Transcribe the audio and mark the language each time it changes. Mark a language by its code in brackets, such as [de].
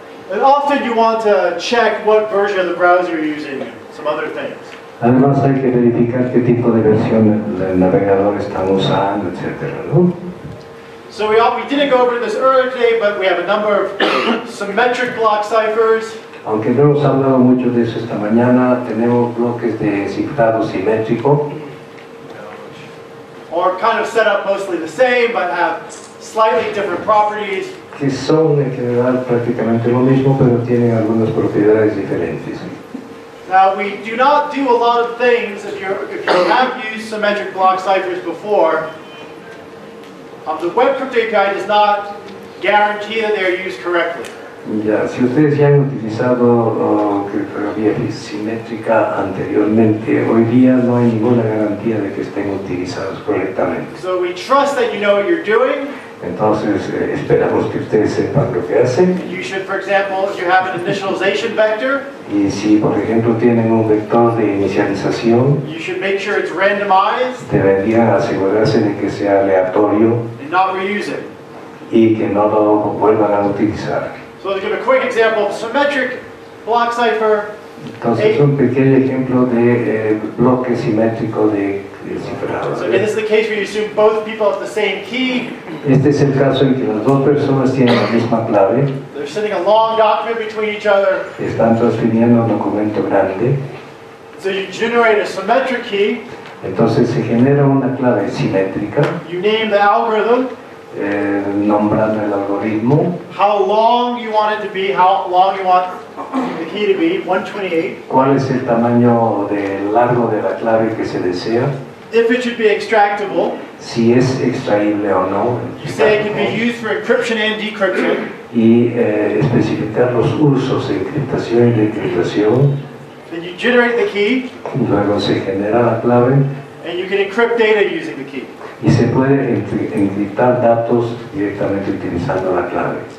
[en] And often you want to check what version of the browser you're using, some other things. [es] Además hay que verificar qué tipo de versión el navegador está usando, etc. ¿No? [en] So we didn't go over this earlier today, but we have a number of symmetric block ciphers. [es] Aunque no hemos hablado mucho de eso esta mañana, tenemos bloques de cifrado simétrico. [en] Or kind of set up mostly the same, but have slightly different properties. [es] Que son en general prácticamente lo mismo, pero tienen algunas propiedades diferentes. [en] Now we do not do a lot of things if you have used symmetric block ciphers before. The web crypto API does not guarantee that they are used correctly. [es] Yeah, si ustedes ya han utilizado criptografía simétrica anteriormente, hoy día no hay ninguna garantía de que estén utilizados correctamente. [en] So we trust that you know what you're doing. [es] Entonces esperamos que ustedes sepan lo que hacen. [en] You should, for example, if you have an initialization vector. [es] Y si, por ejemplo, tienen un vector de inicialización. [en] You should make sure it's randomized. [es] Deberían asegurarse de que sea aleatorio. [en] And not reuse it. [es] Y que no lo vuelvan a utilizar. [en] So to give a quick example of symmetric block cipher. [es] Entonces un pequeño ejemplo de bloque simétrico de cifrado. [en] So this is the case where you assume both people have the same key. [es] Este es el caso en que las dos personas tienen la misma clave. [en] They're sending a long document between each other. [es] Están transfiriendo un documento grande. [en] So you generate a symmetric key. [es] Entonces se genera una clave simétrica. [en] You name the algorithm. [es] Nombrando el algoritmo. [en] How long you want it to be, how long you want the key to be, 128. [es] ¿Cuál es el tamaño de largo de la clave que se desea? [en] If it should be extractable. [es] Si es extraíble o no. [en] You say it can be used for encryption and decryption. [es] Y especificar los usos de encriptación y decriptación. [en] Then you generate the key. [es] Luego se genera la clave. [en] And you can encrypt data using the key. [es] Y se puede encriptar datos directamente utilizando la clave.